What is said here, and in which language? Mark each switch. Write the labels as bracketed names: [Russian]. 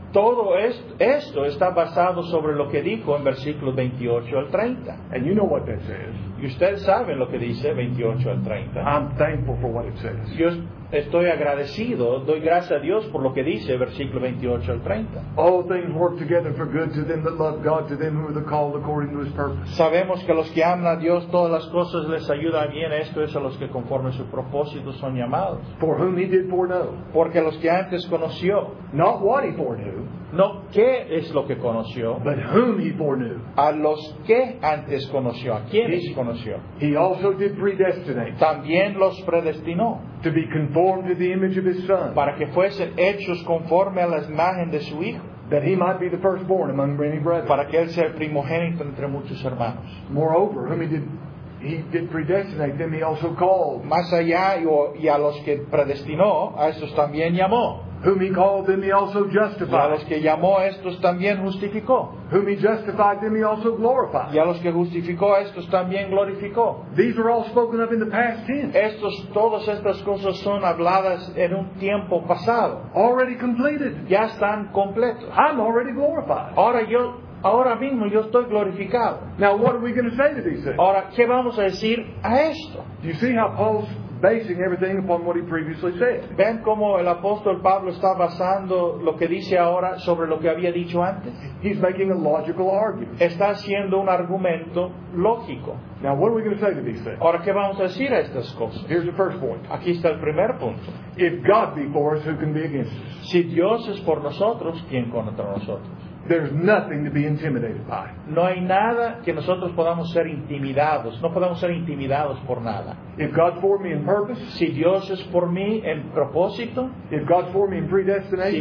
[Spanish] todo esto está basado sobre lo que dijo en versículos 28 al 30. [English] And you know what that says. [Spanish] Y ustedes saben lo que dice 28 al 30. [English] I'm thankful for what it says. [Spanish] Yo estoy agradecido, doy gracias a Dios por lo que dice versículo 28 al 30. [English] All things work together for good to them that love God, to them who are called according to His purpose. [Spanish] Sabemos que a los que aman a Dios todas las cosas les ayudan bien. Esto es a los que conforme a su propósito son llamados. [English] For whom He did foreknow. [Spanish] Porque los que antes conoció. [English] Not what He foreknew. [Spanish] No qué es lo que conoció. [English] But whom He foreknew. [Spanish] A los que antes conoció. A quienes conoció. [English] He also did predestinate. [Spanish] También los predestinó. [English] To be conformed to the image of His Son. [Spanish] Para que fuesen hechos conforme a la imagen de su Hijo. [English] That He might be the firstborn among many brethren. [Spanish] Para que Él sea el primogénito entre muchos hermanos. [English] Moreover, whom He did predestinate, them He also called. [Spanish] Más allá y a los que predestinó, a esos también llamó. [English] Whom He called, them He also justified. [Spanish] Y a los que llamó, estos también justificó. [English] Whom He justified, them He also glorified. [Spanish] Y a los que justificó, estos también glorificó. [English] These are all spoken of in the past tense. [Spanish] Todas estas cosas son habladas en un tiempo pasado. [English] Already completed. [Spanish] Ya están completos. [English] I'm already glorified. [Spanish] Ahora mismo yo estoy glorificado. [English] Now what are we going to say to these things? [Spanish] Ahora, ¿qué vamos a decir a esto? [English] Do you see how Paul's basing everything upon what he previously said? [Spanish] ¿Ven cómo el apóstol Pablo está basando lo que dice ahora sobre lo que había dicho antes? [English] He's making a logical argument. [Spanish] Está haciendo un argumento lógico. [English] Now what are we going to say to these things? [Spanish] Ahora, ¿qué vamos a decir a estas cosas? [English] Here's the first point. [Spanish] Aquí está el primer punto. [English] If God be for us, who can be against us? [Spanish] Si Dios es por nosotros, ¿quién contra nosotros? [English] There's nothing to be intimidated by. [Spanish] No hay nada que nosotros podamos ser intimidados. No podemos ser intimidados por nada. [English] If God for me in purpose, [Spanish] si Dios es por mí en propósito, [English] if God for me in predestination,